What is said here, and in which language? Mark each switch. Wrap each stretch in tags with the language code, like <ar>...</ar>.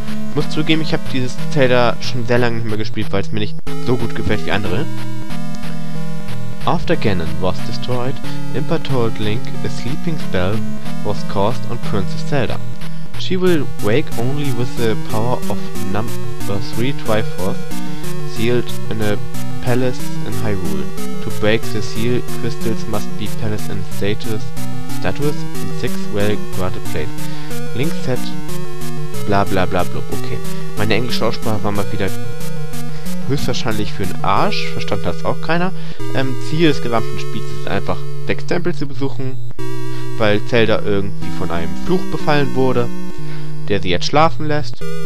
<de>Ich muss zugeben, ich habe dieses Zelda schon sehr lange nicht mehr gespielt, weil es mir nicht so gut gefällt wie andere.</de> <en>After Ganon was destroyed, Impa told Link a sleeping spell was caused on Princess Zelda. She will wake only with the power of number 3 Triforce sealed in a palace in Hyrule. To break the seal, crystals must be palace and status in 6 well-guarded plates. Link said bla bla bla bla.</en> <de>Okay, meine englische Aussprache war mal wieder höchstwahrscheinlich für den Arsch, verstand das auch keiner. Ziel des gesamten Spiels ist einfach, 6 Tempel zu besuchen, weil Zelda irgendwie von einem Fluch befallen wurde, der sie jetzt schlafen lässt.</de>